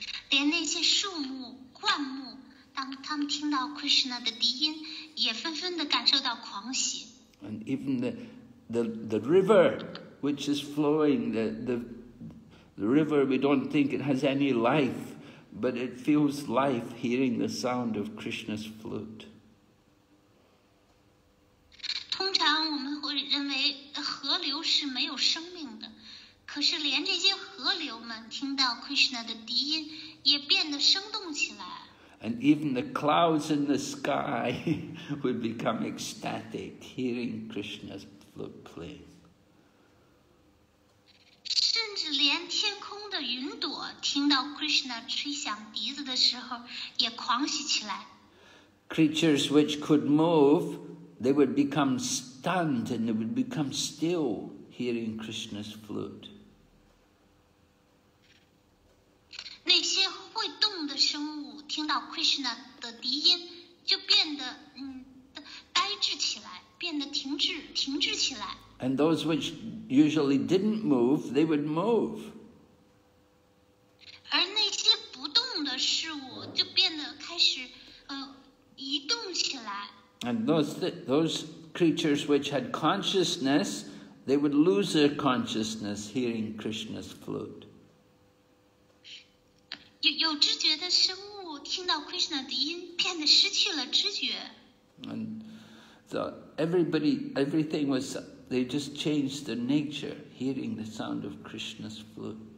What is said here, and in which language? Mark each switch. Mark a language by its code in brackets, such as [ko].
[zh] 连那些树木、灌木。当他们听到 Krishna 的笛音，也纷纷地感受到狂喜。 [en] And even the river which is flowing, the river we don't think it has any life, but it feels life hearing the sound of Krishna's flute. [zh] 通常我们会认为河流是没有生命的，可是连这些河流们听到 Krishna 的笛音，也变得生动起来。 [en] And even the clouds in the sky would become ecstatic hearing Krishna's flute playing. [zh] 甚至连天空的云朵听到 Krishna 吹响笛子的时候也狂喜起来。 [en] Creatures which could move, they would become stunned and they would become still hearing Krishna's flute. [zh] 那些会动的生物听到 Krishna 的笛音，就变得呆滞起来，变得停滞起来。 [en] And those which usually didn't move, they would move. [zh] 而那些不动的事物就变得开始移动起来。 [en] And those creatures which had consciousness, they would lose their consciousness hearing Krishna's flute. [zh] 有知觉的生物。听到 Krishna 的音，变得失去了知觉。 [en] And so everybody, everything was, they just changed their nature, hearing the sound of Krishna's flute.